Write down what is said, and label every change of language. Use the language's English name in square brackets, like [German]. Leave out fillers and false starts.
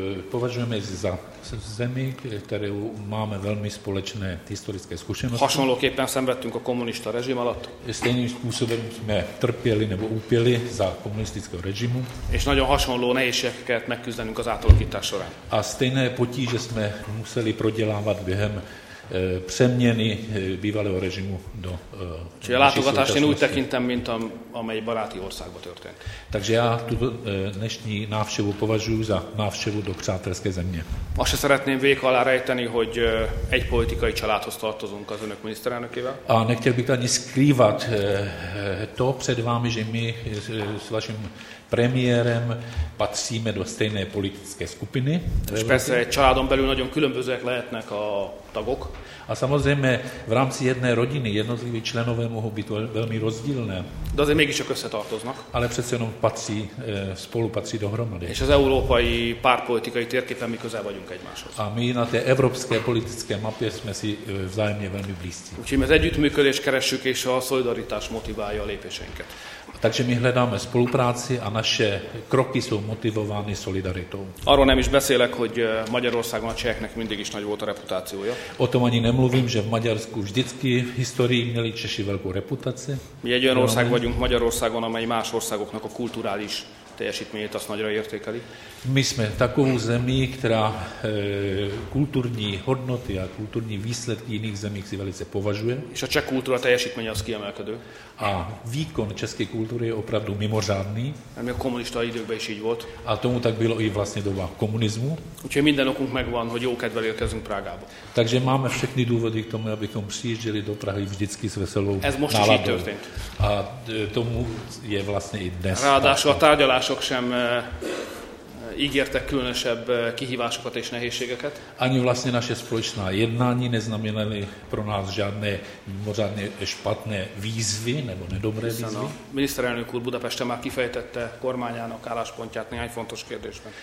[Czech] Považujeme za zemi, které máme velmi společné historické zkušenosti. [Hungarian] Hasonlóképpen szenvedtünk a kommunista rezsim alatt. [Czech] Stejným způsobem jsme trpěli nebo úpěli za komunistického režimu. [Hungarian] És nagyon hasonló nehézségeket megküzdenünk az átalakítás során. [Czech] A stejné potíže jsme museli prodělávat během přeměny bývalého režimu do [Hungarian] Čili látogatást jen úgy tekintem, mint amely baráti országba történt. [Czech] Takže já tu dnešní návštěvu považuji za návštěvu do přátelské země. [Hungarian] Azt se szeretném vék alá rejteni, hogy egy politikai családhoz tartozunk az önök miniszterelnökével. [Czech] A nechtěl bych ani skrývat to před vámi, že my s vaším premiérem patříme do stejné politické skupiny. [Hungarian] És persze egy családon belül nagyon különbözőek lehetnek a tagok. [Czech] A samozřejmě v rámci jedné rodiny jednotliví členové mohou být velmi rozdílné. [Hungarian] De azért mégiscsak összetartoznak. [Czech] Ale přece jenom patří, spolu patří dohromady. [Hungarian] És az európai párpolitikai térképen mi közel vagyunk egymáshoz. [Czech] A my na té evropské politické mapě jsme si vzájemně velmi blízci. [Hungarian] Úgyhogy az együttműködést keressük, és a szolidaritás motiválja a lépéseinket. [Czech] Takže my hledáme spolupráci a naše kroky jsou motivovány solidaritou. [Hungarian] Arról nem is beszélek, hogy Magyarországon a cseheknek mindig is nagy volt a reputációja. [Czech] O tom ani nemluvím, že v Maďarsku vždycky v historii měli Češi velkou reputaci. [Hungarian] Mi egy olyan ország vagyunk Magyarországon, amely más országoknak a kulturális teljesítményét azt nagyra értékeli. [Czech] My jsme takovou zemí, která kulturní hodnoty a kulturní výsledky jiných zemí si velice považuje. [Hungarian] És a Czech kultura teljesítmény az kiemelkedő. [Czech] A výkon české kultury je opravdu mimořádný. [Hungarian] Ami a komunista időkben is így volt. [Czech] A tomu tak bylo i vlastně doba komunismu. [Hungarian] Úgyhogy minden okunk megvan, hogy jókedvel érkezünk Prágába. [Czech] Takže máme všechny důvody k tomu, abychom přijížděli do Prahy vždycky s veselou náladou. [Hungarian] Ez most [Czech] náladou. [Hungarian] Is így történt. [Czech] A tomu je vlastně i dnes. [Hungarian] Ráadásul a tárgyalások sem ígértek különösebb kihívásokat és nehézségeket. [Czech] Ani vlastně naše společná jednání neznamenali pro nás žádné mimořádně špatné výzvy nebo nedobré výzvy. No. [Hungarian] Miniszterelnök úr Budapeste már kifejtette kormányának álláspontját néhány fontos kérdésben.